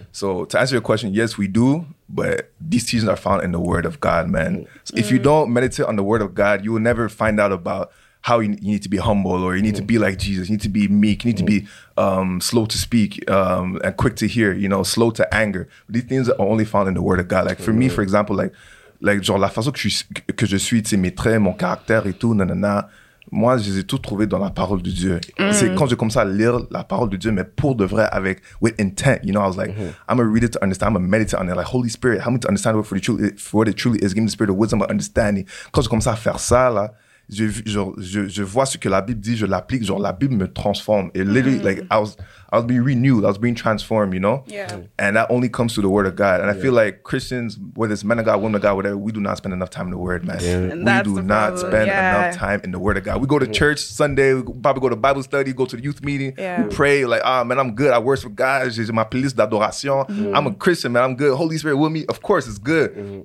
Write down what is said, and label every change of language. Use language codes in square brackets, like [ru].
[en] So to answer your question, yes, we do, but these teachings are found in the Word of God, man. So if you don't meditate on the Word of God, you will never find out about how you need to be humble, or you need to be like Jesus, you need to be meek, you need to be slow to speak and quick to hear, you know, slow to anger. These things are only found in the word of God. Like for me, for example, like [fr] genre la façon que je suis, mes traits, mon caractère et tout, nanana, moi, je les ai tout trouvés dans la parole de Dieu. C'est quand j'ai commencé à lire la parole de Dieu, mais pour de vrai, avec, [en] with intent, you know, I was like, I'm going to read it to understand, I'm going to meditate on it, like, Holy Spirit, help me to understand what, for the truth, for what it truly is, give me the spirit of wisdom and understanding. [fr] Quand j'ai commencé à faire ça, là, je vois ce que la Bible dit, je l'applique, genre la Bible me transforme. [en] It literally, like, I was being renewed, I was being transformed, you know? And that only comes through the word of God. And I feel like Christians, whether it's men of God, women of God, whatever, we do not spend enough time in the word, man. We do not spend enough time in the word of God. We go to church Sunday, we probably go to Bible study, go to the youth meeting, we pray, like, ah, oh, man, I'm good, I worship God, [fr] j'ai ma playlist d'adoration, [en] I'm a Christian, man, I'm good, Holy Spirit with me, of course, it's good.